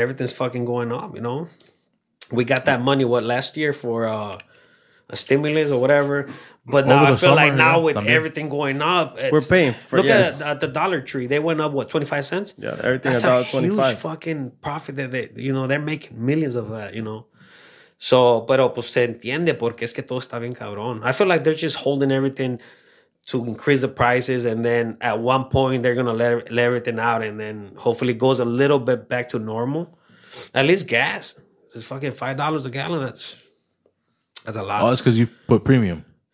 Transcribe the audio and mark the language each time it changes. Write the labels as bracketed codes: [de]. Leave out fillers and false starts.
[en] Everything's fucking going up, you know? We got that money, last year for a stimulus or whatever. But now everything going up. We're paying for, At the Dollar Tree. They went up, 25 cents? Yeah, everything at $1.25. That's a huge fucking profit that they, you know, they're making millions of that, you know? [es] So, pero pues se entiende porque es que todo está bien cabrón. [en] I feel like they're just holding everything to increase the prices, and then at one point they're going to let everything out, and then hopefully it goes a little bit back to normal. At least gas. It's fucking $5 a gallon. That's a lot. Oh, it's because you put premium.